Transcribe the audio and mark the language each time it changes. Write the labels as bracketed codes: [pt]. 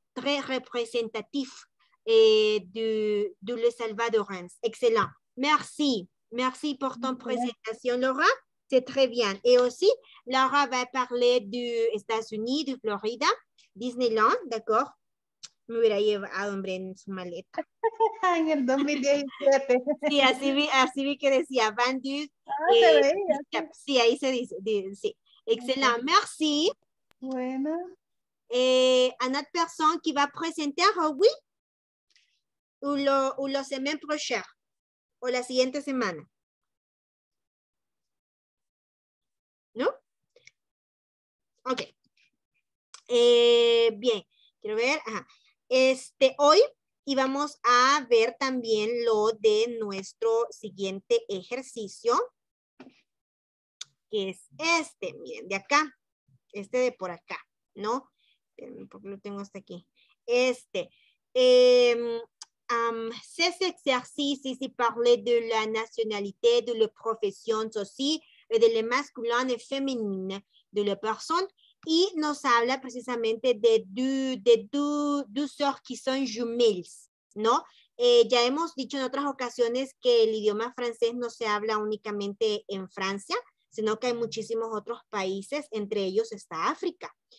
[fr] très représentatif et de Les Salvadorens. Excellent. Merci. Merci pour ton présentation, Laura. C'est très bien. Et aussi, Laura va parler des États-Unis, de Florida, Disneyland, d'accord? [es] Me hubiera llevado, hombre, en su maleta. En el 2017. Sí, así vi que decía, Van Dyke. Ah, se veía. Sí, ahí se dice, sí. Excelente, okay. Merci. Bueno. [en] Another person [fr] qui va [es] presentar, ¿o [fr] oui? [es] O la semana [fr] prochaine. [es] O la siguiente semana. ¿No? Ok. Bien, quiero ver, ajá. Hoy íbamos a ver también lo de nuestro siguiente ejercicio, que es este, miren, de acá, este de por acá, ¿no? Porque lo tengo hasta aquí. [fr] Ces exercices, ici, parler de la nationalité, de la profession aussi, de la masculine et féminine de la personne. [es] Y nos habla precisamente de [fr] deux sœurs qui sont jumelles, [es] ¿no? Ya hemos dicho en otras ocasiones que el idioma francés no se habla únicamente en Francia, sino que hay muchísimos otros países, entre ellos está África.